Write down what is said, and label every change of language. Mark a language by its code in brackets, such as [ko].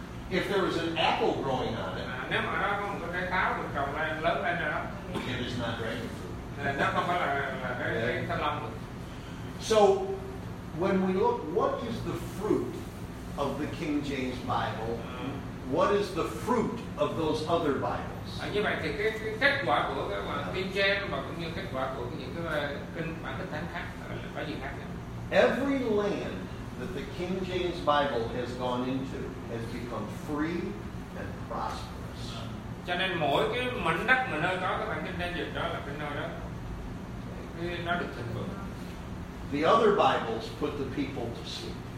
[en] If there is an apple growing on it, it is not dragon fruit. So when we look, what is the fruit of the King James Bible? What is the fruit of those other Bibles? [vi] Như vậy thì cái kết quả của cái bản King James và cũng như kết quả của những cái kinh bản kinh thánh khác có gì khác nhau? [en] Every land that the King James Bible has gone into has become free and prosperous. [vi] Cho nên mỗi cái mảnh đất mà nơi có cái bản kinh thánh dịch đó là cái nơi đó nó được thịnh vượng. [en] The other Bibles put the people to sleep.